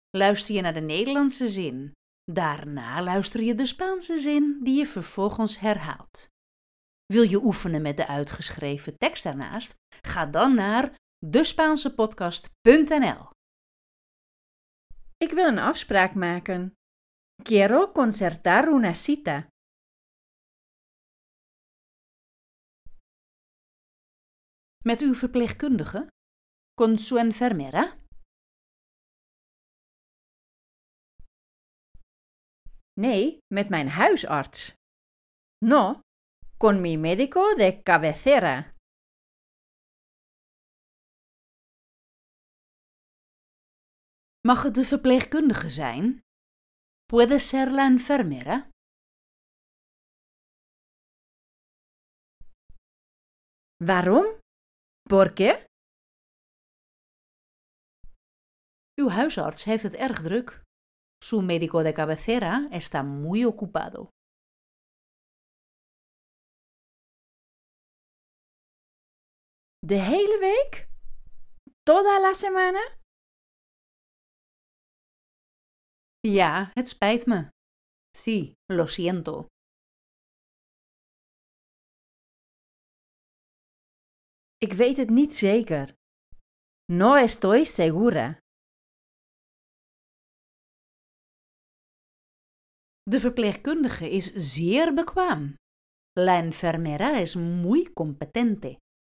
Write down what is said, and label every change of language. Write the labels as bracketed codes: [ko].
[nl] Luister je naar de Nederlandse zin. Daarna luister je de Spaanse zin die je vervolgens herhaalt. Wil je oefenen met de uitgeschreven tekst daarnaast? Ga dan naar despaansepodcast.nl. Ik wil een afspraak maken. [es] Quiero concertar una cita. [nl] Met uw verpleegkundige? [es] Con su enfermera? [nl] Nee, met mijn huisarts. [es] No, con mi médico de cabecera. [nl] Mag het de verpleegkundige zijn? [es] Puede ser la enfermera? [nl] Waarom? [es] ¿Por qué? [nl] Uw huisarts heeft het erg druk. [es] Su médico de cabecera está muy ocupado. [nl] ¿De hele week? [es] ¿Toda la semana? [nl] Ja, het spijt me. [es] Sí, lo siento. [nl] Ik weet het niet zeker. [es] No estoy segura. [nl] De verpleegkundige is zeer bekwaam. [es] La enfermera es muy competente.